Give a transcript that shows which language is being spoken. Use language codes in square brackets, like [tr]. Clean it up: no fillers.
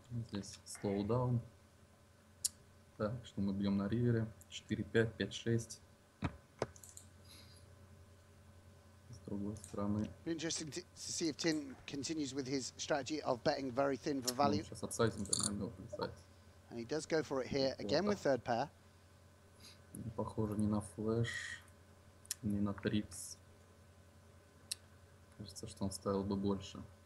[ru] Здесь слоудаун. Так, что мы бьем на ривере? 4-5, 5-6. С другой стороны. [en] Interesting to see if Tim continues with his strategy of betting very thin for value. [ru] Сейчас обсайзим, наверное, обсайз. [en] And he does go for it here again with third pair. [ru] Похоже не на флэш, не на трипс. Кажется, что он ставил бы больше.